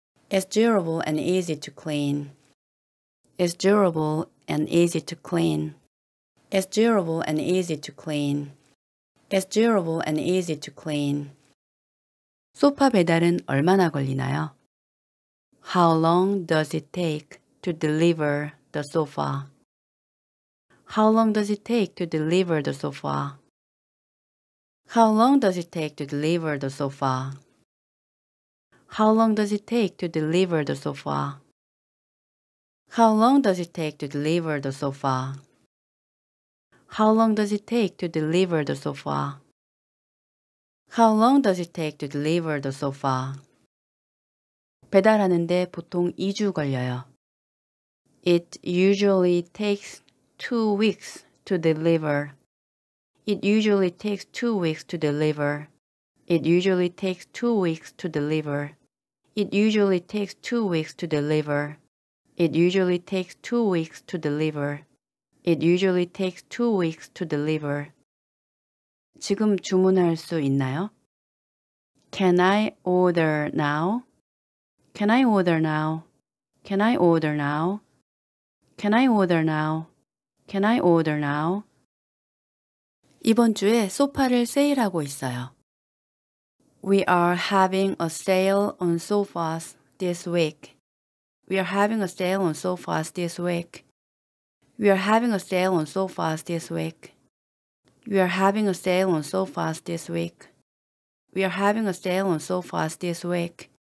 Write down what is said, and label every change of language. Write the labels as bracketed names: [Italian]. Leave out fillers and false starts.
[English] It's durable and easy to clean. It's durable and easy to clean. It's durable and easy to clean. It's durable and easy to clean. [Korean] 소파 배달은 얼마나 걸리나요? [English] How long does it take to deliver the sofa? How long does it take to deliver the sofa? How long does it take to deliver the sofa? How long does it take to deliver the sofa? How long does it take to deliver the sofa? How long does it take to deliver the sofa? How long does it take to deliver the sofa? [Korean] 배달하는데 보통 2주 걸려요. [English] It usually takes 2 weeks to deliver. It usually takes 2 weeks to deliver. It usually takes 2 weeks to deliver. It usually takes 2 weeks to deliver. It usually takes 2 weeks to deliver. It usually takes 2 weeks to deliver. [Korean] 지금 주문할 수 있나요? [English] Can I order now? Can I order now? Can I order now? Can I order now? Can I order now? [Korean] 이번 주에 소파를 세일하고 있어요. [English] We are having a sale on sofas this week. We are having a sale on sofas this week. We are having a sale on sofas this week. We are having a sale on sofas this week. We are having a sale on sofas this week.